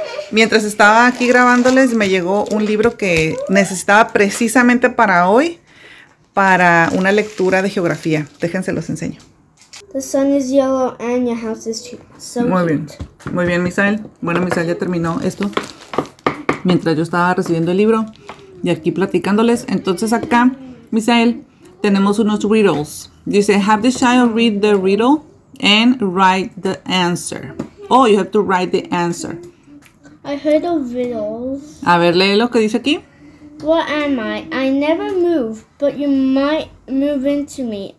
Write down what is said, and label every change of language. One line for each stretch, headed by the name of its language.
Spanish: Mientras estaba aquí grabándoles, me llegó un libro que necesitaba precisamente para hoy, para una lectura de geografía. Déjense, los enseño.
English: The sun is yellow and your house is so cute.
Spanish: Muy bien, Misael. Bueno, Misael ya terminó esto mientras yo estaba recibiendo el libro y aquí platicándoles. Entonces acá, Misael, tenemos unos riddles.
English: Dice, have the child read the riddle and write the answer. Oh, you have to write the answer. I heard of riddles.
Spanish: A ver, lee lo que dice aquí.
English: What am I? I never move, but you might move into me.